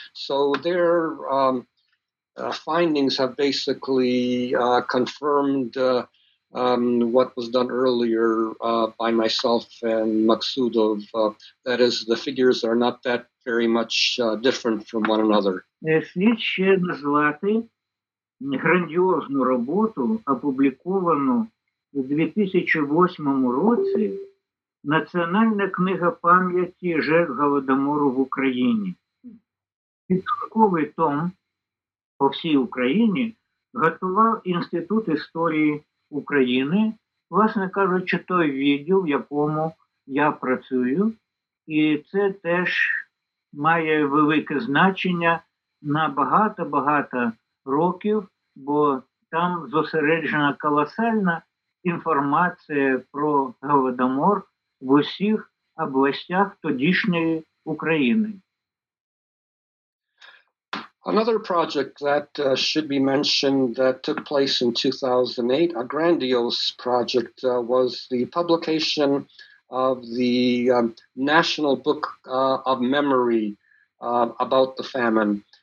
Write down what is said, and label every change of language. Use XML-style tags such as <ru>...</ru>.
<en>So their findings have basically confirmed what was done earlier by myself and Maksudov. That is, the figures are not that very much different from one another.</en> <uk>Слід ще назвати, грандіозну роботу, опубліковану у 2008 році «Національна книга пам'яті жертв Голодомору в Україні». Підсумковий том по всій Україні готував Інститут історії України, власне кажучи, той відділ, в якому я працюю, і це теж має велике значення на багато-багато років, бо там зосереджена колосальна інформація про Голодомор в усіх областях тодішньої України.</uk> <en>Another project that should be mentioned that took place in 2008, a grandiose project, was the publication of the National Book of Memory about the famine.</en>